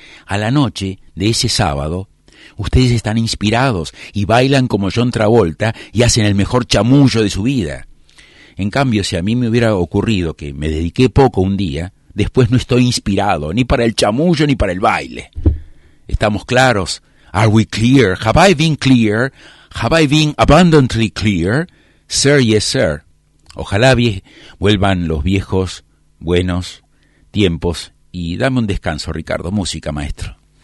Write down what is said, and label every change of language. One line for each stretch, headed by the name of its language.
Spanish: A la noche de ese sábado, ustedes están inspirados y bailan como John Travolta y hacen el mejor chamullo de su vida. En cambio, si a mí me hubiera ocurrido que me dediqué poco un día, después no estoy inspirado ni para el chamullo ni para el baile. ¿Estamos claros?
English: Are we clear? Have I been clear? Have I been abundantly clear? Sir, yes, sir.
Spanish: Ojalá vuelvan los viejos buenos tiempos. Y dame un descanso, Ricardo. Música, maestro.